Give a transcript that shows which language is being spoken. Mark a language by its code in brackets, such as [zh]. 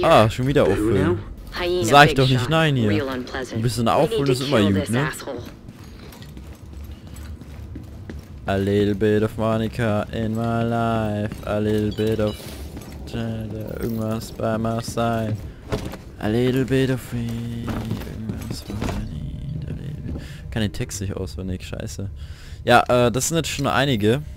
[de] schon wieder aufhören. Sag ich doch nicht nein hier. Ein bisschen aufholen ist immer gut, ne? [en] A little bit of Monica in my life. A little bit of irgendwas by my side. A little bit of me. Irgendwas funny. [de] Kann den Text nicht auswendig, scheiße. Ja, das sind jetzt schon einige.